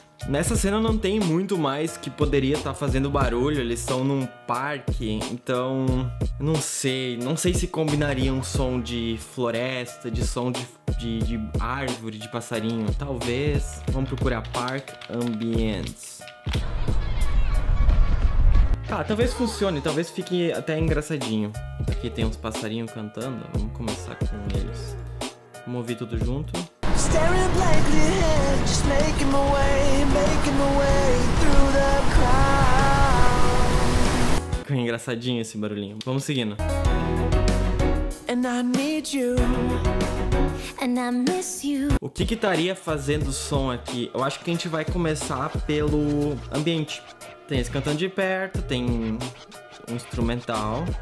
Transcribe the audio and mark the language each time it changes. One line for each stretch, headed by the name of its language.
Portuguese: Nessa cena não tem muito mais que poderia estar fazendo barulho, eles estão num parque, então não sei se combinaria um som de floresta, de som de árvore, de passarinho, talvez. Vamos procurar Park Ambience. Tá, talvez funcione, talvez fique até engraçadinho. Aqui tem uns passarinhos cantando, vamos começar com eles. Vamos ouvir tudo junto.
English: Staring blankly ahead, just making my way through the crowd.
Portuguese: Ficou engraçadinho esse barulhinho. Vamos seguindo.
English: And I need you. And I miss you.
Portuguese: O que que estaria fazendo o som aqui? Eu acho que a gente vai começar pelo ambiente. Tem esse cantando de perto, tem um instrumental.